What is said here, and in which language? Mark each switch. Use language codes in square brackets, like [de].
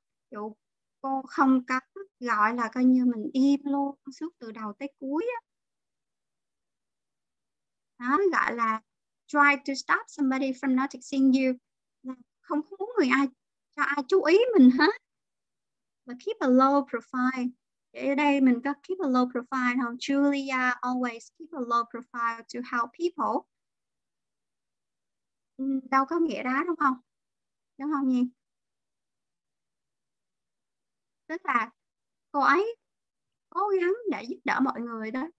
[vi] Dù cô không có gọi là coi như mình im luôn suốt từ đầu tới cuối á. Đó gọi là [en] try to stop somebody from noticing you. [vi] Không có muốn người ai cho ai chú ý mình hết. Và [en] keep a low profile. [vi] Để ở đây mình có [en] keep a low profile [vi] không? [en] Julia always keep a low profile to help people. [vi] Đâu có nghĩa đó đúng không? Đúng không nhỉ? Tức là cô ấy cố gắng để giúp đỡ mọi người đó.